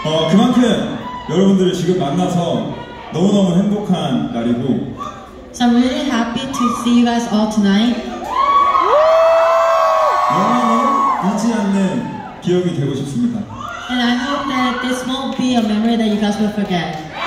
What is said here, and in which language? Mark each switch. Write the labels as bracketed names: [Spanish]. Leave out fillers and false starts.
[Korean] 그만큼 여러분들을 지금 만나서 너무너무 행복한 날이고. [English] So I'm really happy to see you guys all tonight. [Korean] 영원히 잊지 않는 기억이 되고 싶습니다. [English] And I hope that this won't be a memory that you guys will forget.